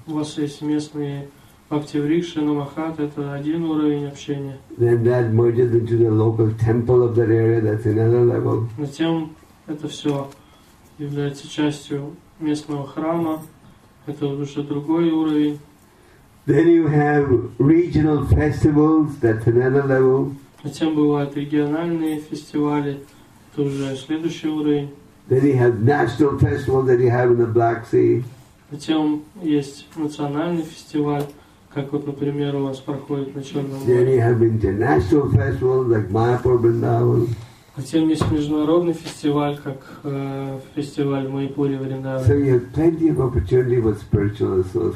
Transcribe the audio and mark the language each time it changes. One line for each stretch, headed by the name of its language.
Russian: У вас есть местные бхакти-врикши, намахат, это один уровень общения. Затем это все является частью местного храма, это уже другой уровень.
English: Then you have regional festivals, that's another level.
Russian: Затем бывают региональные фестивали, это уже следующий уровень.
English: Then you have national festival that you have in the Black Sea.
Russian: Затем есть национальный фестиваль, как вот, например, у вас проходит на Черном море.
English: Then you have international festivals like Mayapur Vrindavan.
Russian: Затем есть международный фестиваль, как фестиваль в Майпуре, Вриндаване. So